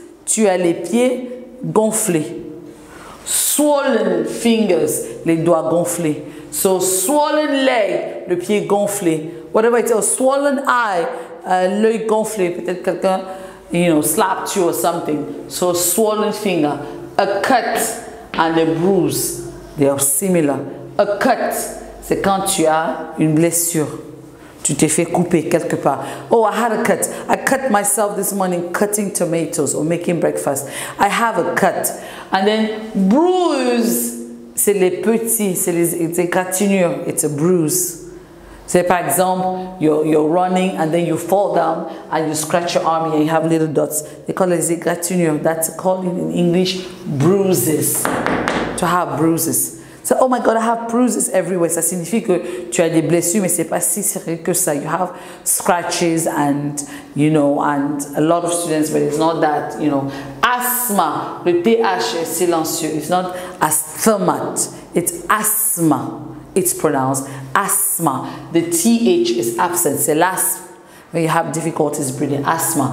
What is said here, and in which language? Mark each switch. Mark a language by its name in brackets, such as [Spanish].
[French] Tu as les pieds gonflés. [English] Swollen fingers, [French] les doigts gonflés. [English] So, swollen leg, [French] le pied gonflé. [English] Whatever it is, swollen eye, [French] l'œil gonflé. Peut-être quelqu'un, [English] you know, slapped you or something. So, swollen finger. A cut and a bruise, they are similar. [French] A cut, c'est quand tu as une blessure. Tu t'es fait couper quelque part. [English] Oh, I had a cut. I cut myself this morning cutting tomatoes or making breakfast. I have a cut. And then bruise. [French] C'est les petits, c'est les égratignures. [English] It's a bruise. Say, [French] par exemple, [English] you're running and then you fall down and you scratch your arm and you have little dots. They call it égratignures. That's called in English bruises. To have bruises. So, oh my God, I have bruises everywhere. [French] Ça signifie que tu as des blessures, mais c'est pas si sérieux que ça. [English] You have scratches and, you know, and a lot of students, but it's not that, you know. [French] Asthma, le PH est silencieux. [English] It's not asthma. It's asthma. It's pronounced asthma. The TH is absent. [French] C'est l'asthme. [English] When you have difficulties breathing, asthma.